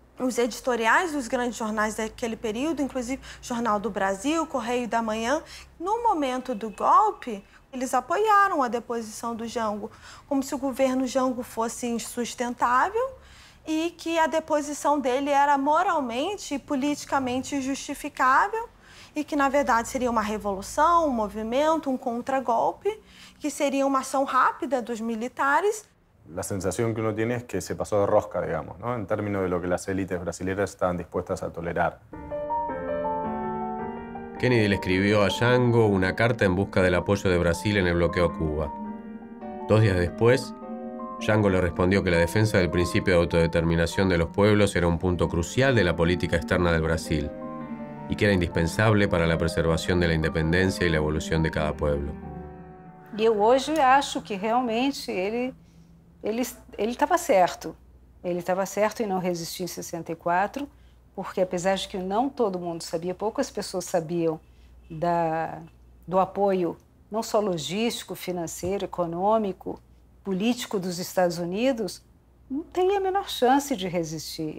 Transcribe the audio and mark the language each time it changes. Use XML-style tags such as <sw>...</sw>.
<pt>Os editoriais dos grandes jornais daquele período, inclusive Jornal do Brasil, Correio da Manhã, no momento do golpe, eles apoiaram a deposição do Jango, como se o governo Jango fosse insustentável e que a deposição dele era moralmente e politicamente justificável e que, na verdade, seria uma revolução, um movimento, um contragolpe, que seria uma ação rápida dos militares.</pt> <es>La sensación que uno tiene es que se pasó de rosca, digamos, ¿no? En términos de lo que las élites brasileñas estaban dispuestas a tolerar. Kennedy le escribió a Jango una carta en busca del apoyo de Brasil en el bloqueo a Cuba. Dos días después, Jango le respondió que la defensa del principio de autodeterminación de los pueblos era un punto crucial de la política externa del Brasil y que era indispensable para la preservación de la independencia y la evolución de cada pueblo. Y yo hoy</es> <pt>acho que realmente ele estava certo. Ele estava certo em não resistir em 64, porque apesar de que não todo mundo sabia, poucas pessoas sabiam do apoio, não só logístico, financeiro, econômico, político dos Estados Unidos, não tem a menor chance de resistir.</pt>